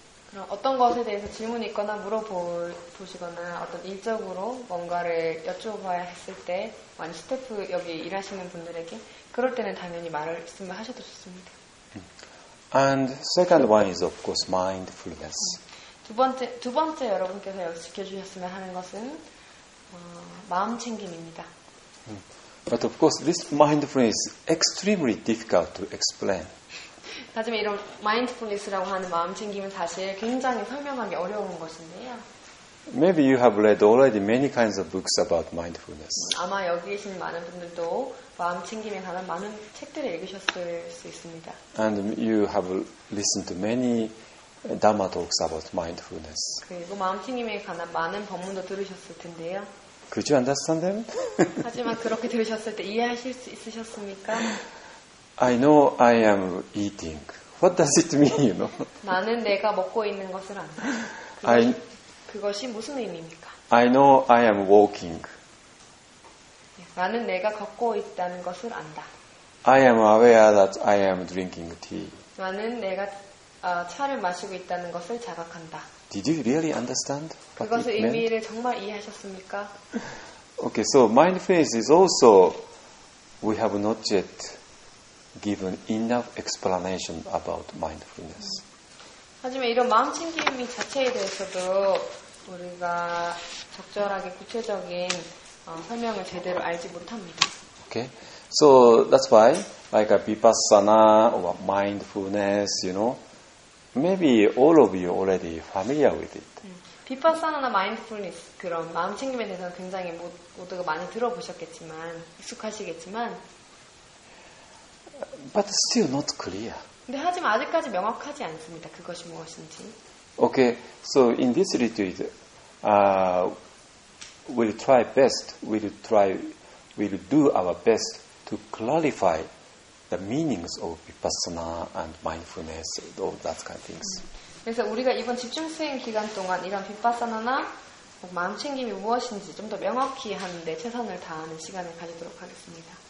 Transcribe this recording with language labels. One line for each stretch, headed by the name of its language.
Korean: 그럼 어떤 것에 대해서 질문 있거나 물어보시거나 어떤 일적으로 뭔가를 여쭤봐야 했을 때, 아니 스태프 여기 일하시는 분들에게 그럴 때는 당연히 말씀을 하셔도 좋습니다.
English: And second one is of course mindfulness.
Korean: 두 번째 여러분께서 여기 지켜주셨으면 하는 것은 마음 챙김입니다.
English: But of course, this mindfulness is extremely difficult to explain.
Korean: 하지만 이런 mindfulness라고 하는 마음 챙김은 사실 굉장히 설명하기 어려운 것인데요.
English: Maybe you have read already many kinds of books about mindfulness.
Korean: 아마 여기 계신 많은 분들도 마음 챙김에 관한 많은 책들을 읽으셨을 수 있습니다.
English: And you have listened to many Dharma talks about mindfulness.
Korean: 그리고 마음 챙김에 관한 많은 법문도 들으셨을 텐데요.
English: Could you understand them?
Korean: 하지만 그렇게 들으셨을 때 이해하실 수 있으셨습니까?
English: I know I am eating. What does it mean, you know?
Korean: 나는 내가 먹고 있는 것을 안다. 그것이 무슨 의미입니까?
English: I know I am walking.
Korean: 나는 내가 걷고 있다는 것을 안다.
English: I am aware that I am drinking tea.
Korean: 나는 내가 차를 마시고 있다는 것을 자각한다.
English: Did you really understand?
Korean: 그것의 의미를 정말 이해하셨습니까?
English: Okay, so mindfulness is also we have not yet given enough explanation about mindfulness.
Korean: 하지만 이런 마음 챙김 자체에 대해서도 우리가 적절하게 구체적인 설명을 제대로 알지 못합니다.
English: Okay, so that's why like a vipassana or mindfulness, you know. Maybe all of you already familiar with it.
Korean: Vipassana나 mindfulness 그런 마음 챙김에 대해서 굉장히 모두가 많이 들어보셨겠지만 익숙하시겠지만.
English: But still not clear.
Korean: 근데 하지만 아직까지 명확하지 않습니다. 그것이 무엇인지.
English: Okay, so in this retreat, we'll do our best to clarify. The meanings of vipassana and mindfulness, all that kind of things.
Korean: 그래서 우리가 이번 집중 수행 기간 동안 이런 vipassana나 마음 챙김이 무엇인지 좀 더 명확히 하는데 최선을 다하는 시간을 가지도록 하겠습니다.